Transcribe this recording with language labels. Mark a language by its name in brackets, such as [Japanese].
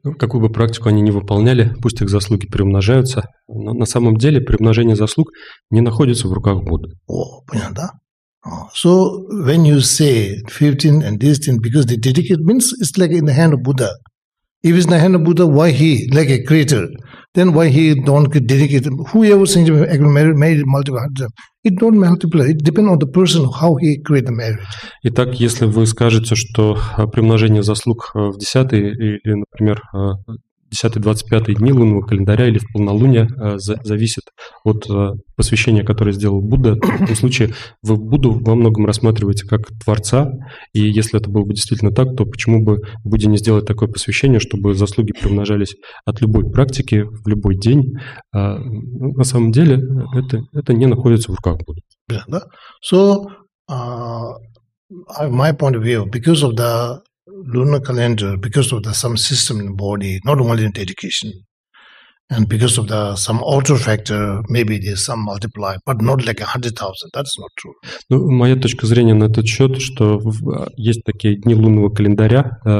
[Russian] Какую бы практику они ни выполняли, пусть их заслуги приумножаются, но на самом деле приумножение заслуг не находится в руках Будды. О, понятно, да? [English] So when you say 15 and this thing, because they dedicate, means it's like in the hand of Buddha. If it's in the hand of Buddha, why he, like a creator, then why he don't dedicate, whoever sings married multiple, it don't multiply, it depends on the person, how he create the marriage. [Russian] Итак, если вы скажете, что приумножение заслуг в 10-й или, например, 10-25 дни лунного календаря или в полнолуние зависит от посвящения, которое сделал Будда, то в этом случае вы Будду во многом рассматриваете как Творца, и если это было бы действительно так, то почему бы Будде не сделать такое посвящение, чтобы заслуги приумножались от любой практики в любой день? На самом деле это не находится в руках Будды. [English] So, my point of view, because of the lunar calendar, because of the some system in the body, not only in dedication, and because of the some outer factor, maybe there's some multiply, but not like 100,000. That's not true. [Russian] Ну, моя точка зрения на этот счет, что есть такие дни лунного календаря,